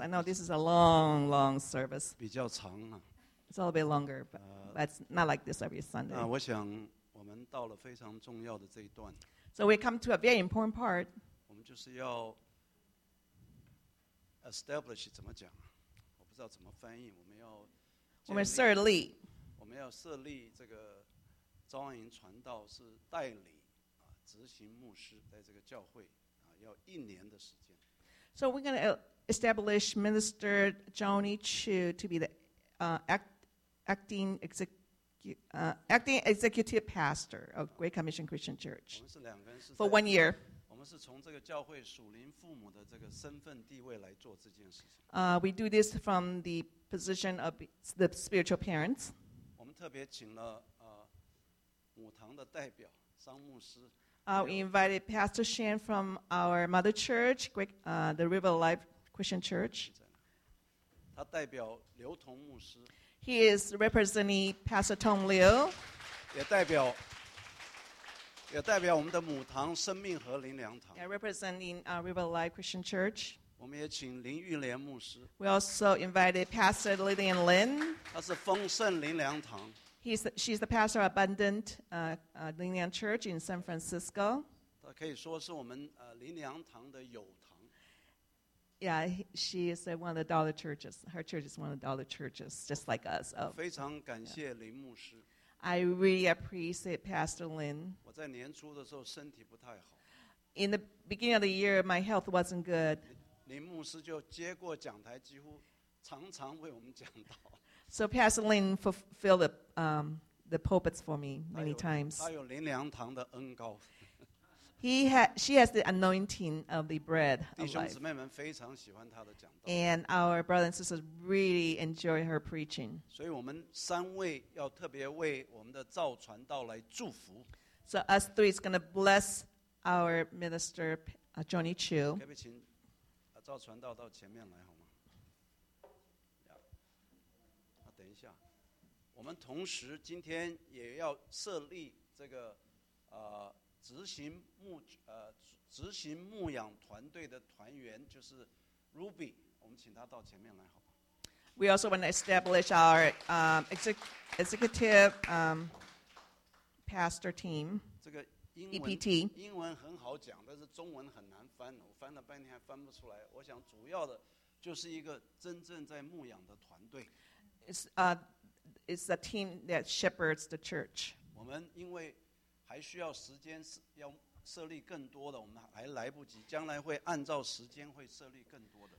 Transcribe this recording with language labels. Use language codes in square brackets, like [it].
[en] I know this is a long, long service. [zh] 比较长啊 [en] It's a little bit longer, but it's not like this every Sunday. [zh] 我想我们到了非常重要的这一段 [en] So we come to a very important part. [zh] 我们就是要 establish 怎么讲？我不知道怎么翻译。我们要我们设立。我们要设立这个招营传道是代理。执行牧师在这个教会啊，要一年的时间。 [en] So we're going to establish Minister Johnny Chu to be the acting executive pastor of Great Commission Christian Church. [zh] 我们是两个人是 [en] for 1 year. [zh] 我们是从这个教会属灵父母的这个身份地位来做这件事情。 [en] We do this from the position of the spiritual parents. [zh] 我们特别请了母堂的代表桑牧师。 [en] We invited Pastor Shan from our mother church, the River Life Christian Church. [zh] 他代表刘同牧师。 [en] He is representing Pastor Tong Liu. [zh] 也代表我们的母堂生命和灵粮堂。 [en] Yeah, representing River Life Christian Church. [zh] 我们也请林玉莲牧师。 [en] We also invited Pastor Lillian Lin. [zh] 他是丰盛灵粮堂。 [en] She's the pastor of Abundant Linlian Church in San Francisco. [zh] 她可以说是我们灵粮堂的友堂。 [en] Yeah, she is one of the dollar churches. Her church is one of the dollar churches, just like us. [zh] 非常感谢林牧师。 [en] I really appreciate Pastor Lin. [zh] 我在年初的时候身体不太好。 [en] In the beginning of the year, my health wasn't good. [zh] 林牧师就接过讲台，几乎常常为我们讲道。 [en] So Pastor Lin fulfilled the pulpits for me many times. [zh] 他有灵粮堂的恩膏。 [en] She has the anointing of the bread of life. [zh] 弟兄姊妹们非常喜欢他的讲道。 [en] And our brothers and sisters really enjoy her preaching. [zh] 所以我们三位要特别为我们的造传道来祝福。 [en] So us three is going to bless our minister, Johnny Chu. [zh] 可不可以请造传道到前面来好吗？ [en] Yeah. [zh] 等一下，我们同时今天也要设立这个执行牧养团队的团员，就是 Ruby， 我们请他到前面来，好吗 [en] ？We also want to establish our executive pastor team. [zh] 这个英文 [en] EPT [zh] 英文很好讲，但是中文很难翻，我翻了半天还翻不出来。我想主要的就是一个真正在牧养的团队。 [en] It's a team that shepherds the church. [zh] 我们因为还需要时间要设立更多的，我们还来不及，将来会按照时间会设立更多的。